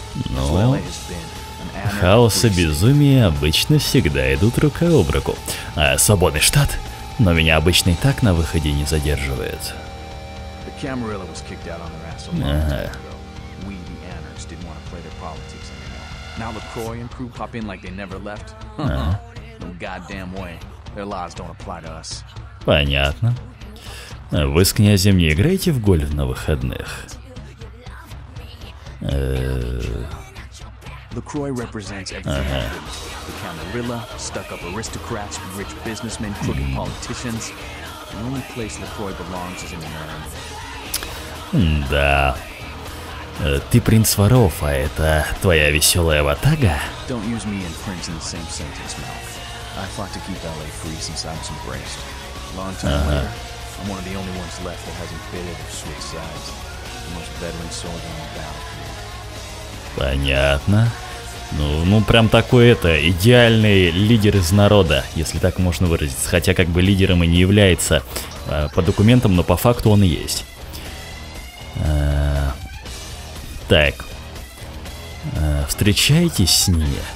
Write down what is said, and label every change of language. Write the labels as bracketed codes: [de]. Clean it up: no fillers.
[ru] Но хаос и безумие обычно всегда идут рука об руку. А свободный штат? Но меня обычно и так на выходе не задерживает. [en] Camarilla was kicked out on their ass a long time ago. We, the Anarchs, didn't want to play their politics anymore. Now LaCroix and crew pop in like they never left. No goddamn way. Their laws don't apply to us. [ru] Понятно. Вы с князем не играете в гольф на выходных? [en] LaCroix represents everything. The Camarilla, stuck-up aristocrats, rich businessmen, crooked politicians. The only place LaCroix belongs is in the land. [ru] Да. Ты принц воров, а это твоя веселая ватага? [en] Don't use me and Prince in the same sentence, Malk. I fought to keep LA free since I was embraced. Long time later, I'm one of the only ones left that hasn't bitted or switched sides. The most veteran soldier on the battlefield. [ru] Понятно. Ну прям такой это, идеальный лидер из народа, если так можно выразиться. Хотя как бы лидером и не является по документам, но по факту он и есть. Так, встречаетесь с ними?